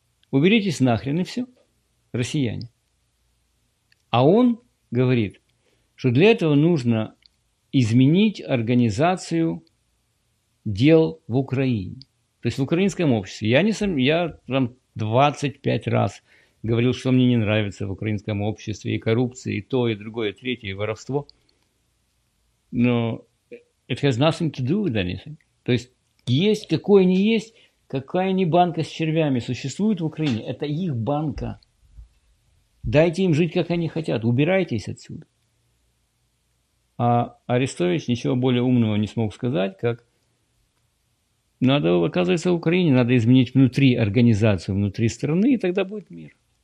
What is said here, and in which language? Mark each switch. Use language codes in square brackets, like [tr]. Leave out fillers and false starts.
[ru] Уберитесь нахрен и все, россияне. А он говорит, что для этого нужно изменить организацию дел в Украине. То есть в украинском обществе. Я там 25 раз говорил, что мне не нравится в украинском обществе, и коррупция, и то, и другое, и третье, и воровство. [en] Но it has nothing to do with anything. [ru] То есть есть, какое ни есть, какая ни банка с червями существует в Украине, это их банка. Дайте им жить, как они хотят. Убирайтесь отсюда. А Арестович ничего более умного не смог сказать, как надо, оказывается, в Украине, надо изменить внутри организацию, внутри страны, и тогда будет мир.